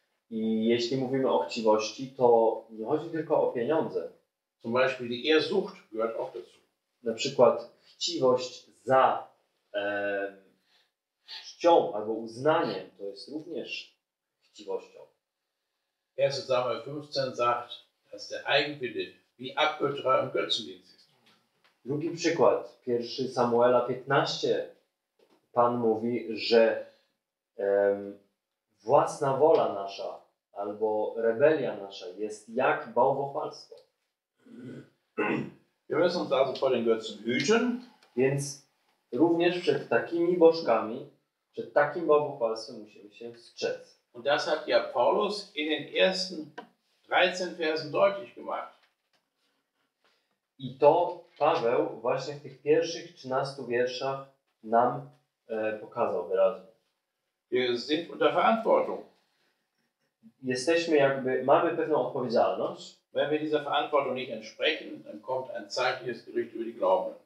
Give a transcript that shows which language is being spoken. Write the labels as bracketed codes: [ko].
[pl] I jeśli mówimy o chciwości, to nie chodzi tylko o pieniądze. [de] Zum Beispiel die Ehrsucht gehört auch dazu. [pl] Na przykład chciwość za czcią albo uznaniem to jest również chciwością. [de] 1 Samuel 15 sagt, dass der Eigenwille wie Abgötterei und Götzendienst ist. [pl] Drugi przykład, 1 Samuela 15, Pan mówi, że własna wola nasza albo rebelia nasza jest jak bałwochwalstwo. [de] Wir müssen uns also vor den Götzen hüten. [pl] Więc również przed takimi bożkami, przed takim bałwochwalstwem musimy się strzec. [de] Und das hat ja Paulus in den ersten 13 Versen deutlich gemacht. [pl] I to Paweł właśnie w tych pierwszych 13 wierszach nam pokazał wyraźnie. [de] Wir sind unter Verantwortung. [pl] Jesteśmy jakby, mamy pewną odpowiedzialność. [de] Wenn wir dieser Verantwortung nicht entsprechen, dann kommt ein zeitliches Gericht über die Glauben.